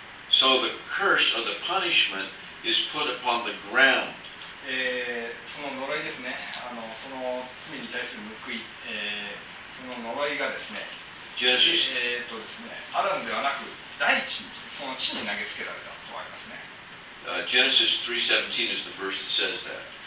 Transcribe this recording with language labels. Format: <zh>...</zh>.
<en>So the curse or the punishment is put upon the ground.</en> <ja>その呪いですね、その罪に対する報い、その呪いがですね、</ja> <en>Genesis.</en> <ja>ですね、アダムではなく大地に、その地に投げつけられたとありますね。</ja> <en>Genesis 3:17 is the verse that says that.</en>